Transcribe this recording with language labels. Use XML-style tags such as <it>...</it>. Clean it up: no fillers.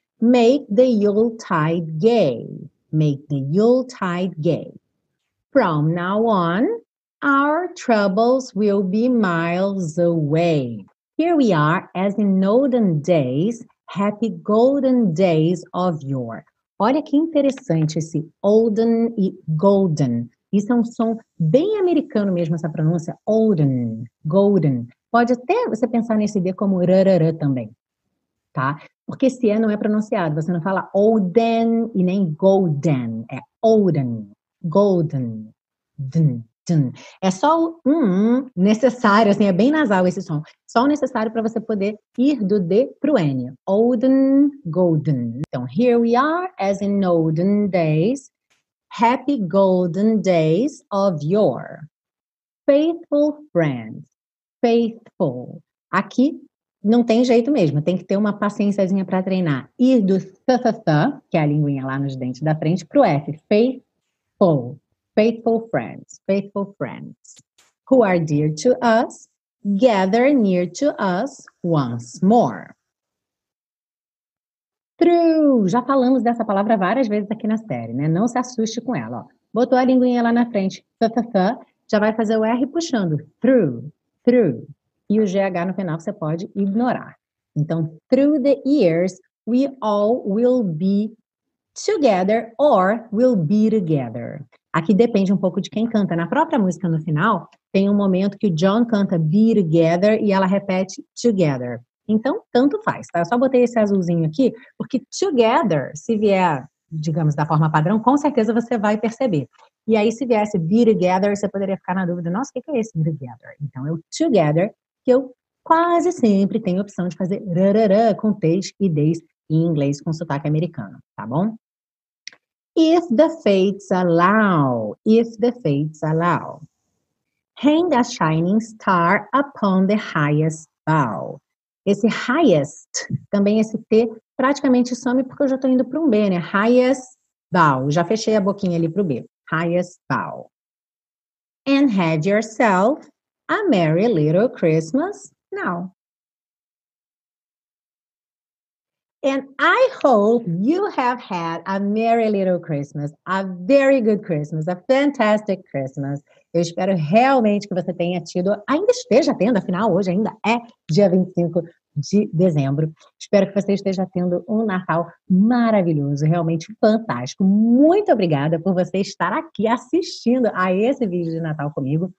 <en>Make the Yuletide gay. Make the Yuletide gay. From now on, our troubles will be miles away. Here we are, as in olden days, happy golden days of yore.</en> <pt>Olha que interessante esse olden e golden. Isso é um som bem americano mesmo, essa pronúncia. Olden, golden. Pode até você pensar nesse D como rarara também. Tá? Porque esse E não é pronunciado, você não fala olden e nem golden, é olden, golden, dn, É só o necessário, assim, é bem nasal esse som. Só o necessário para você poder ir do D pro N.</pt> <en>Olden, golden. Então, here we are as in olden days. Happy golden days of yore. Faithful friends. Faithful.</en> <pt>Aqui não tem jeito mesmo, tem que ter uma paciênciazinha para treinar. Ir do th, que é a linguinha lá nos dentes da frente, pro F.</pt> <en>Faithful. Faithful friends, faithful friends, who are dear to us, gather near to us once more. True!</en> <pt>Já falamos dessa palavra várias vezes aqui na série, né? Não se assuste com ela. Ó. Botou a linguinha lá na frente, já vai fazer o R puxando. True, true. E o GH no final você pode ignorar.</pt> <en>Então, through the years, we all will be together or will be together.</en> <pt>Aqui depende um pouco de quem canta. Na própria música, no final, tem um momento que o John canta Be Together e ela repete Together. Então, tanto faz, tá? Eu só botei esse azulzinho aqui, porque Together, se vier, digamos, da forma padrão, com certeza você vai perceber. E aí, se viesse Be Together, você poderia ficar na dúvida, nossa, o que é esse Be Together? Então, é o Together, que eu quase sempre tenho a opção de fazer rarará com T's e D's em inglês com sotaque americano, tá bom?</pt> <en>If the fates allow, if the fates allow. Hang a shining star upon the highest bough.</en> <pt>Esse highest, também esse T, praticamente some porque eu já tô indo para um B, né?</pt> <en>Highest bough.</en> <pt>Já fechei a boquinha ali pro B. Highest bough.</pt> <en>And have yourself a merry little Christmas now. And I hope you have had a merry little Christmas, a very good Christmas, a fantastic Christmas.</en> <pt>Eu espero realmente que você tenha tido, ainda esteja tendo, afinal hoje ainda é dia 25 de dezembro. Espero que você esteja tendo um Natal maravilhoso, realmente fantástico. Muito obrigada por você estar aqui assistindo a esse vídeo de Natal comigo.</pt>